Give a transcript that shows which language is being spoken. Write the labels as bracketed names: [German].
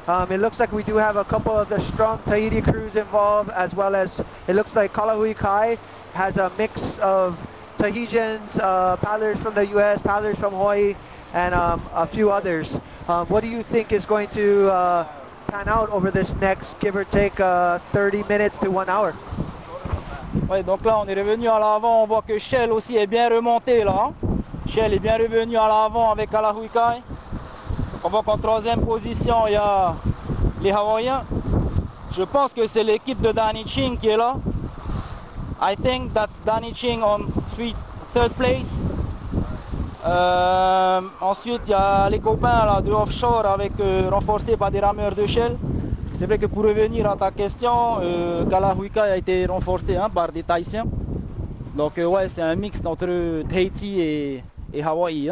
[English] It looks like we do have a couple of the strong Tahiti crews involved, as well as it looks like Kalahui Kai has a mix of Tahitians, paddlers from the U.S., paddlers from Hawaii, and a few others. What do you think is going to pan out over this next, give or take, 30 minutes to 1 hour? [French] Oui, donc là on est revenu à l'avant. On voit que Shell aussi est bien remonté là. Shell est bien revenu à l'avant avec Kalahui Kai. On voit qu'en troisième position, il y a les Hawaïens. Je pense que c'est l'équipe de Danny Ching qui est là. [English] I think that's Danny Ching on third place. [French] Ensuite, il y a les copains là, de offshore avec renforcés par des rameurs de Shell. C'est vrai que pour revenir à ta question, Kalahuika a été renforcé hein, par des Tahitiens. Donc ouais, c'est un mix entre Tahiti et Hawaii.